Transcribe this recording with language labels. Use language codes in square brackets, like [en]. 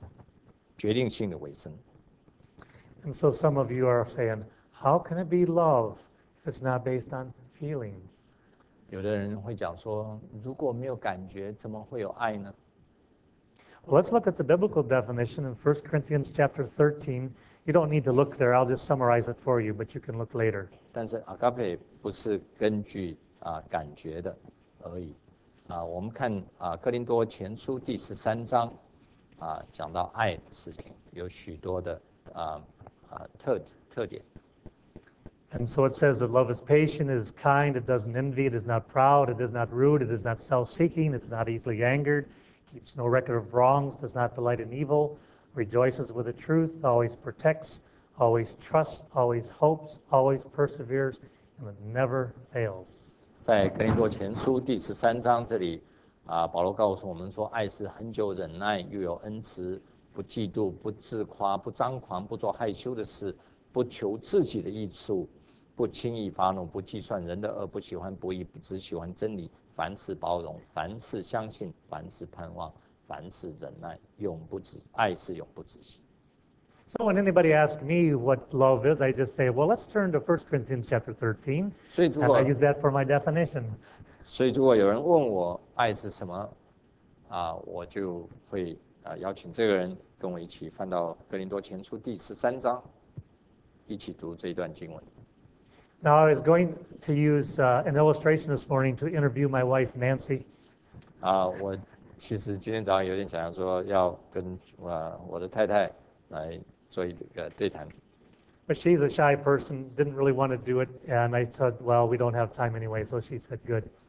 [zh] 不是根据因为怎么样而爱的，而是是一种委身，是一种决定性的委身。 [en] And so some of you are saying, how can it be love if it's not based on feelings? [zh] 有的人会讲说，如果没有感觉，怎么会有爱呢？ [en] Well, let's look at the biblical definition in 1 Corinthians chapter 13. You don't need to look there. I'll just summarize it for you, but you can look later. [zh] 但是 agape 不是根据 感觉的而已。我们看 哥林多前书第13章 讲到爱的事情，有许多的 特点。 [en] And so it says that love is patient, it is kind, it doesn't envy, it is not proud, it is not rude, it is not self-seeking, it is not easily angered, keeps no record of wrongs, does not delight in evil, rejoices with the truth, always protects, always trusts, always hopes, always perseveres, and it never fails. [zh] 在哥林多前书第13章这里，保罗告诉我们说，爱是恒久忍耐，又有恩慈，不嫉妒，不自夸，不张狂，不做害羞的事，不求自己的益处，不轻易发怒，不计算人的恶，不喜欢不义，不只喜欢真理，凡事包容，凡事相信，凡事盼望，凡事忍耐，永不止，爱是永不止息。 [en] So when anybody asks me what love is, I just say, well, let's turn to 1 Corinthians chapter 13, [zh] 所以如果, [en] and I use that for my definition. [zh] 所以如果有人问我爱是什么，我就会邀请这个人跟我一起翻到哥林多前书第十三章，一起读这一段经文。 [en] Now I was going to use an illustration this morning to interview my wife Nancy. [zh] 我其实今天早上有点想要说要跟我的太太来做一个对谈。 [en] But she's a shy person, didn't really want to do it, and I thought, well, we don't have time anyway, so she said, good.